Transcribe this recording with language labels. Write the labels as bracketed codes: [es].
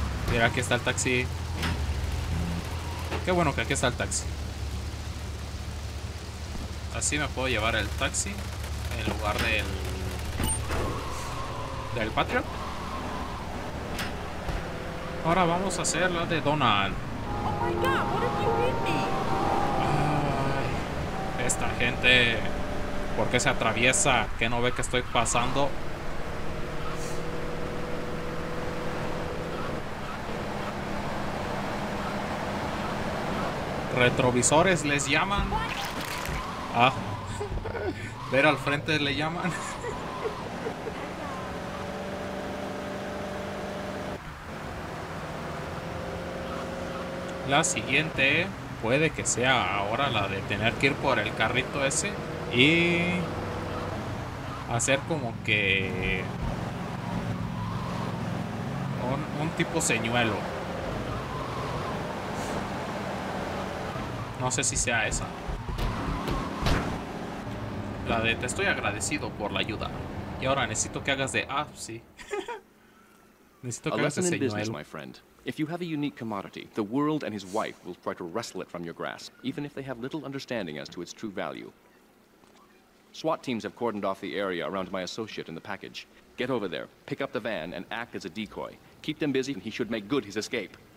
[es] Mira, aquí está el taxi. Qué bueno que aquí está el taxi. Así me puedo llevar el taxi en lugar del... del Patriot. Ahora vamos a hacer la de Donald. [en] Oh my God, what if you hit me? [es] Ay, esta gente, ¿por qué se atraviesa? ¿Qué no ve que estoy pasando? Retrovisores les llaman. Ah, ver al frente le llaman. La siguiente puede que sea ahora la de tener que ir por el carrito ese y hacer como que un tipo señuelo. No sé si sea esa. La de te estoy agradecido por la ayuda. Y ahora necesito que hagas de... Ah, sí. Necesito que hagas de señuelo. [en] If you have a unique commodity, the world and his wife will try to wrestle it from your grasp, even if they have little understanding as to its true value. SWAT teams have cordoned off the area around my associate and the package. Get over there, pick up the van, and act as a decoy. Keep them busy, and he should make good his escape.